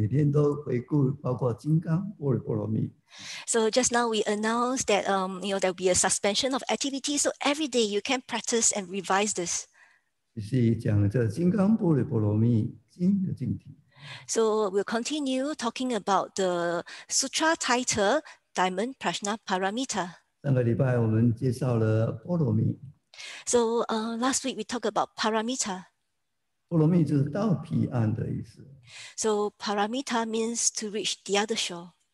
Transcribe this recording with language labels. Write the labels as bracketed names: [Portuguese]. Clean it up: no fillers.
[Chinese] 所以刚才我们宣布有放假一段时间，你们每天都回顾，包括金刚、波罗蜜。 [English] So just now we announced that there'll be a suspension of activity. So every day you can practice and revise this. [Chinese] 是讲这金刚波罗蜜经的经题. [English] So we'll continue talking about the sutra title Diamond Prajna Paramita. [Chinese] 上个礼拜我们介绍了波罗蜜. [English] So last week we talked about paramita. [Chinese] 波罗蜜就是到彼岸的意思. [English] So paramita means to reach the other shore.